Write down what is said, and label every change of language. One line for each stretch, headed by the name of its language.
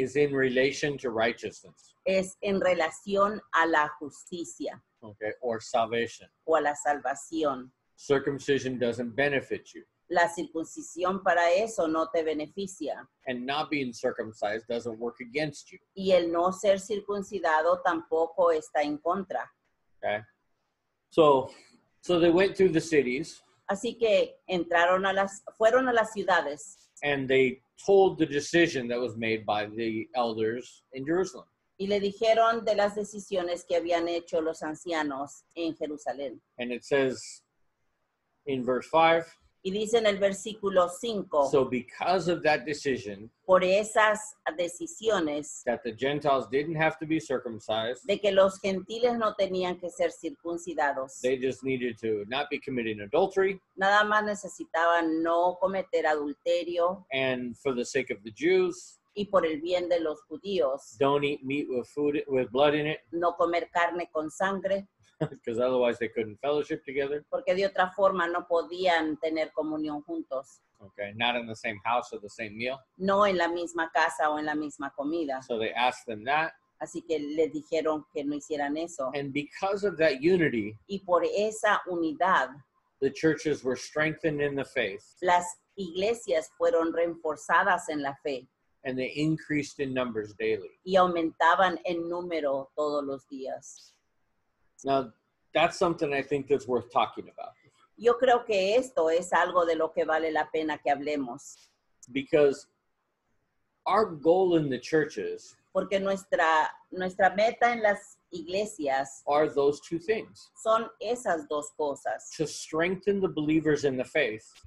English: is in relation to righteousness.
Spanish: Es en relación a la justicia.
English: Okay, or salvation.
Spanish: O a la salvación.
English: Circumcision doesn't benefit you.
Spanish: La circuncisión para eso no te beneficia.
English: And not being circumcised doesn't work against you.
Spanish: Y el no ser circuncidado tampoco está en contra.
English: Okay. So they went through the cities.
Spanish: Así que entraron a las, fueron a las ciudades.
English: And they told the decision that was made by the elders in Jerusalem.
Spanish: Y le dijeron de las decisiones que habían hecho los ancianos en Jerusalén.
English: And it says in verse 5.
Spanish: Y dice en el versículo 5.
English: So because of that decision.
Spanish: Por esas decisiones.
English: That the Gentiles didn't have to be circumcised.
Spanish: De que los gentiles no tenían que ser circuncidados.
English: They just needed to not be committing adultery.
Spanish: Nada más necesitaban no cometer adulterio.
English: And for the sake of the Jews.
Spanish: Y por el bien de los judíos.
English: Don't eat meat with food with blood in it.
Spanish: No comer carne con sangre.
English: Because otherwise they couldn't fellowship together.
Spanish: Porque de otra forma no podían tener comunión juntos.
English: Okay, not in the same house or the same meal.
Spanish: No en la misma casa o en la misma comida.
English: So they asked them that.
Spanish: Así que les dijeron que no hicieran eso.
English: And because of that unity.
Spanish: Y por esa unidad.
English: The churches were strengthened in the faith.
Spanish: Las iglesias fueron reforzadas en la fe.
English: And they increased in numbers daily.
Spanish: Y aumentaban en número todos los días.
English: Now, that's something I think that's worth talking about.
Spanish: Yo creo que esto es algo de lo que vale la pena que hablemos.
English: Because our goal in the churches,
Spanish: porque nuestra meta en las iglesias,
English: are those two things.
Spanish: Son esas dos cosas.
English: To strengthen the believers in the faith,